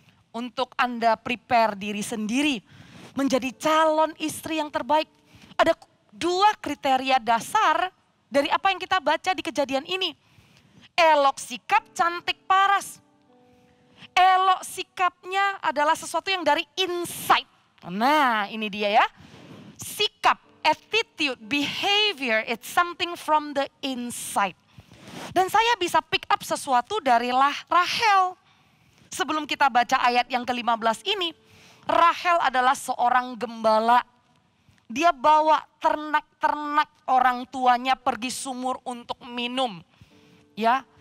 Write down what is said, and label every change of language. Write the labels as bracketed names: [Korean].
[Indonesian] Untuk Anda prepare diri sendiri menjadi calon istri yang terbaik. Ada dua kriteria dasar dari apa yang kita baca di kejadian ini. Elok sikap, cantik paras. Elok sikapnya adalah sesuatu yang dari inside. Nah, ini dia ya. [English] Sikap, attitude, behavior, it's something from the inside. [Indonesian] Dan saya bisa pick up sesuatu dari Rahel. Sebelum kita baca ayat yang ke-15 ini, Rahel adalah seorang gembala. Dia bawa ternak-ternak orang tuanya pergi sumur untuk minum. Ya.